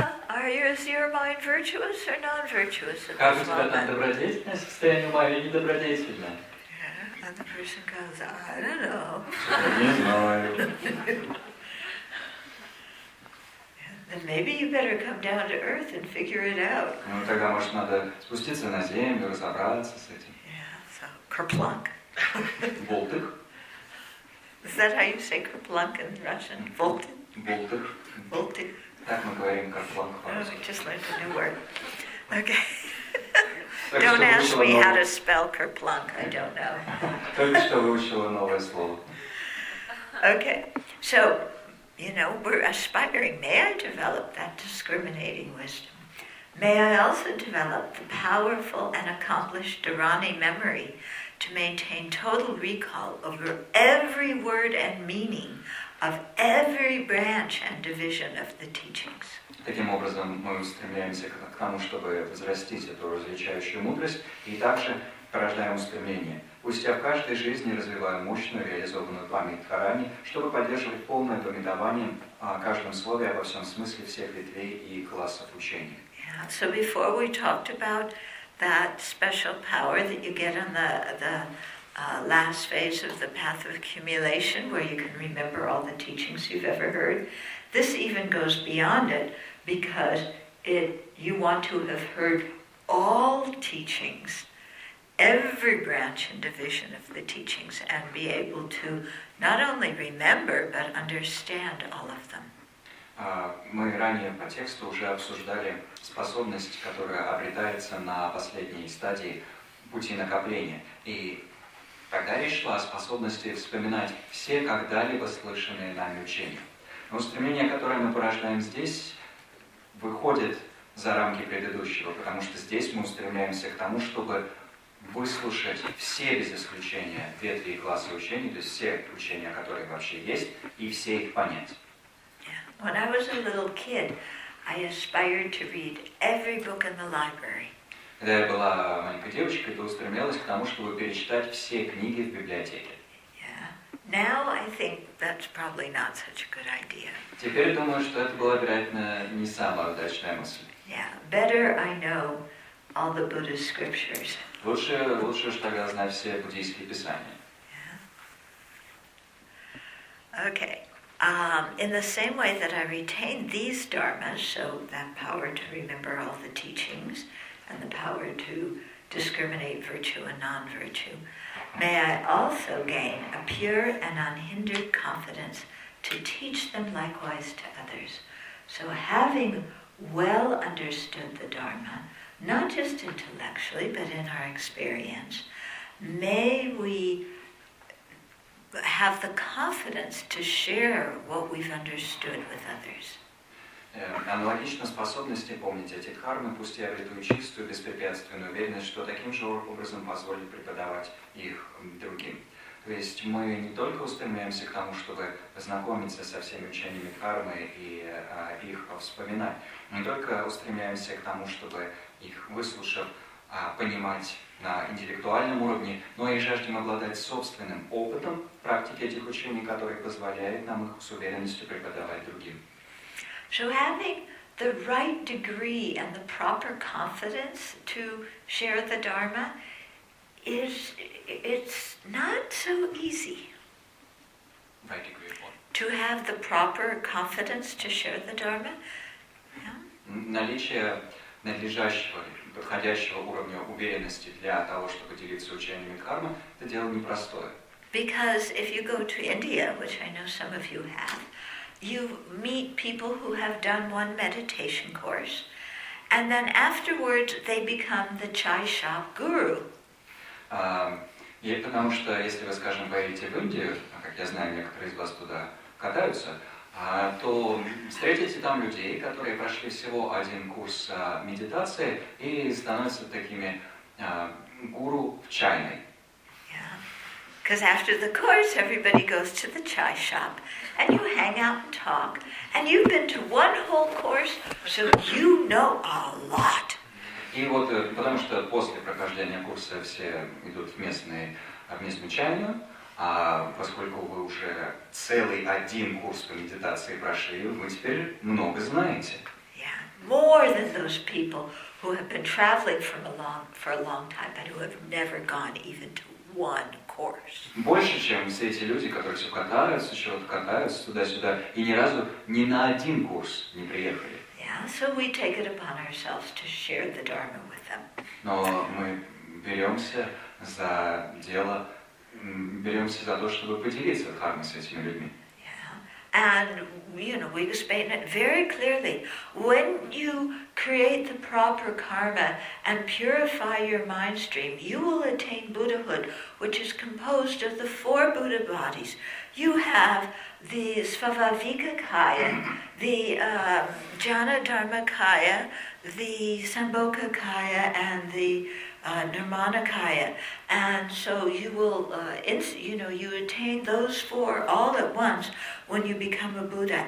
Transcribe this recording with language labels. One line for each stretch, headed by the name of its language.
English: Are you, is your mind virtuous or non-virtuous at this moment? Yeah. And the person goes, I don't know. Then maybe you better come down to earth and figure it out.
Russian: Ну тогда может надо спуститься на землю, разобраться с этим.
English: Yeah, so kerplunk. Voltyk. Is that how you say kerplunk in Russian? Voltyk. Voltyk. Voltyk.
Russian: Так мы говорим kerplunk.
English: Oh, I just learned a new word. Okay. Don't ask me how to spell kerplunk. I don't know.
Russian: Только что выучила новое слово.
English: Okay, so. You know, we're aspiring. May I develop that discriminating wisdom? May I also develop the powerful and accomplished Dharani memory to maintain total recall over every word and meaning of every branch and division of the teachings.
Russian: Таким образом, мы стремляемся к тому, чтобы возрастить эту различающую мудрость, и также порождаем устремление. Пусть я в каждой жизни развиваю мощную реализованную память Дхарани, чтобы поддерживать полное доминование о каждом слове, обо всем смысле всех ветвей и классов учения.
English: Yeah. So before we talked about that special power that you get on the last phase of the path of accumulation, where you can remember all the teachings you've ever heard, this even goes beyond it, because you want to have heard all teachings every branch and division of the teachings and be able to not only remember, but understand all of them.
Russian: Мы ранее по тексту уже обсуждали способность, которая обретается на последней стадии пути накопления. И тогда речь шла о способности вспоминать все когда-либо слышанные нами учения. Но устремление, которое мы порождаем здесь, выходит за рамки предыдущего, потому что здесь мы устремляемся к тому, чтобы выслушать все без исключения ветви и классы учений, то есть все учения, которые вообще есть, и все их понять.
English: When I was a little kid, I aspired to read every book in the library.
Russian: Когда я была маленькой девочкой, то устремлялась к тому, чтобы перечитать все книги в библиотеке.
English: Yeah. Now I think that's probably not such a good idea.
Russian: Теперь думаю, что это была, вероятно, не самая удачная мысль.
English: Yeah. Better I know all the Buddhist scriptures.
Russian: Лучше уж тогда знать все буддийские писания.
English: Yeah. Okay. In the same way that I retain these dharmas, so that power to remember all the teachings and the power to discriminate virtue and non-virtue, may I also gain a pure and unhindered confidence to teach them likewise to others. So having well understood the dharma, not just intellectually, but in our experience, may we have the confidence to share what we've understood with others.
Russian: Аналогично способности помнить эти дхармы, пусть я обрету чистую, беспрепятственную уверенность, что таким же образом позволит преподавать их другим. То есть мы не только устремляемся к тому, чтобы знакомиться со всеми учениями дхармы и их вспоминать, мы только устремляемся к тому, чтобы их выслушав, понимать на интеллектуальном уровне, но и жаждем обладать собственным опытом практики этих учений, который позволяет нам их с уверенностью преподавать другим.
English: So having the right degree and the proper confidence to share the Dharma it's not so easy. Right degree of what? To have the proper confidence to share the Dharma. Yeah.
Russian: Наличие надлежащего подходящего уровня уверенности для того, чтобы делиться учениями дхармы, это дело непростое.
English: Because if you go to India, which I know some of you have, you meet people who have done one meditation course, and then afterwards they become the chai shop guru.
Russian: И потому что, если вы, скажем, поедете в Индию, как я знаю, некоторые из вас туда катаются, то встретите там людей, которые прошли всего один курс медитации и становятся такими гуру в чайной.
English: Yeah. Cuz after the course everybody goes to the chai shop and you hang out and talk and you've been to one whole course, so you know a lot.
Russian: И вот потому что после прохождения курса все идут в местную чайную. А поскольку вы уже целый один курс по медитации прошли, вы теперь много знаете.
English: Yeah, more than those people who have been traveling for a long time, but who have never gone even to one course.
Russian: Больше, чем все эти люди, которые все катаются, туда-сюда, и ни разу ни на один курс не приехали.
English: Yeah, so we take it upon ourselves to share the Dharma with them.
Russian: Но мы беремся за дело. Беремся за то, чтобы поделиться дхармой с этими людьми.
English: Yeah. And you know, we explain it very clearly. When you create the proper karma and purify your mind stream, you will attain Buddhahood, which is composed of the four Buddha bodies. You have the Svavavikakaya, the Jhana Dharmakaya, the Sambhogakaya, and the Nirmanakaya, and so you will, you attain those four all at once when you become a Buddha.